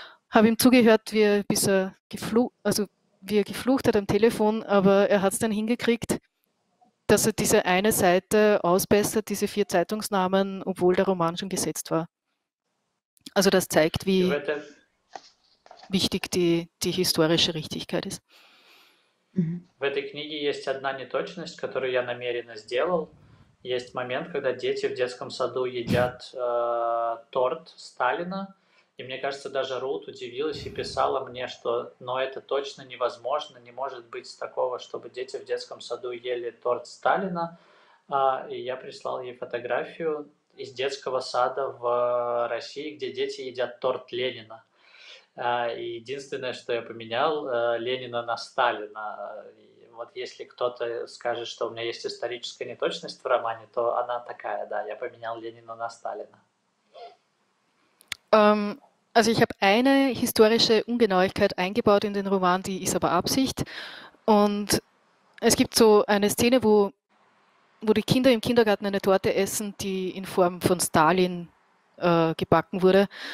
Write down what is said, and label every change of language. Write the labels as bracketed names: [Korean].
[German] Habe ihm zugehört, wie er geflucht hat am Telefon, aber er hat es dann hingekriegt, dass er diese eine Seite ausbessert, diese vier Zeitungsnamen, obwohl der Roman schon gesetzt war. Also das zeigt, wie wichtig die historische Richtigkeit ist. [Russian] В этой книге есть одна неточность, которую я намеренно сделал. Есть момент, когда дети в детском саду едят торт Сталина. И мне кажется, даже Рут удивилась и писала мне, что но это точно невозможно, не может быть такого, чтобы дети в детском саду ели торт Сталина. И я прислал ей фотографию из детского сада в России, где дети едят торт Ленина. И единственное, что я поменял, Ленина на Сталина. И вот если кто-то скажет, что у меня есть историческая неточность в романе, то она такая, да, я поменял Ленина на Сталина. [German] Also ich habe eine historische Ungenauigkeit eingebaut in den Roman, die ist aber Absicht. Und es gibt so eine Szene, wo die Kinder im Kindergarten eine Torte essen, die in Form von Stalin gebacken wurde.